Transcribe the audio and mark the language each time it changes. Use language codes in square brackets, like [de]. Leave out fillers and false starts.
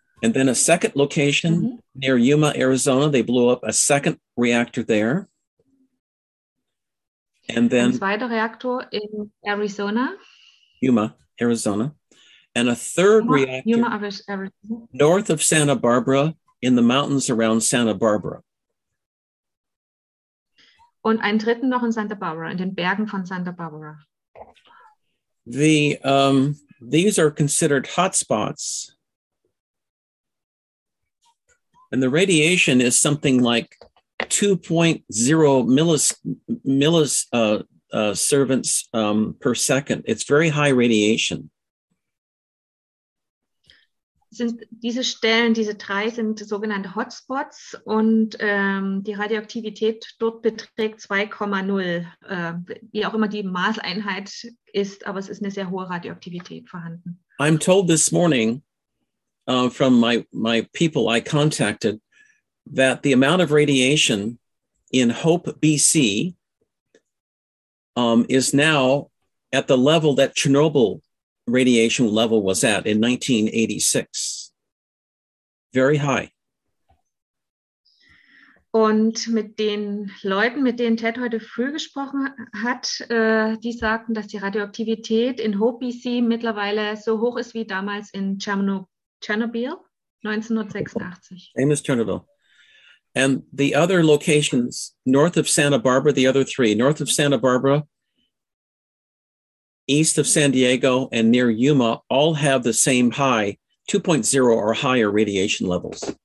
[en] And then a second location near Yuma, Arizona, they blew up a second reactor there. And then [de] a zweiter Reaktor in Arizona. [en] Yuma, Arizona. And a third reactor Yuma, Arizona. North of Santa Barbara in the mountains around Santa Barbara. [de] Und einen dritten noch in Santa Barbara, in den Bergen von Santa Barbara. [en] These are considered hotspots. And the radiation is something like 2.0 millisieverts per second. It's very high radiation. [de] Sind diese Stellen, diese drei, sind sogenannte Hotspots und die Radioaktivität dort beträgt 2,0, wie auch immer die Maßeinheit ist, aber es ist eine sehr hohe Radioaktivität vorhanden. [en] I'm told this morning from my people I contacted that the amount of radiation in Hope, BC is now at the level that Chernobyl radiation level was at in 1986. Very high. [de] Und mit den Leuten, mit denen Ted heute früh gesprochen hat, die sagten, dass die Radioaktivität in Hope, BC mittlerweile so hoch ist wie damals in Chernobyl 1986. [en] Famous Chernobyl. And the other locations, north of Santa Barbara, the other three, north of Santa Barbara, east of San Diego and near Yuma all have the same high, 2.0 or higher radiation levels.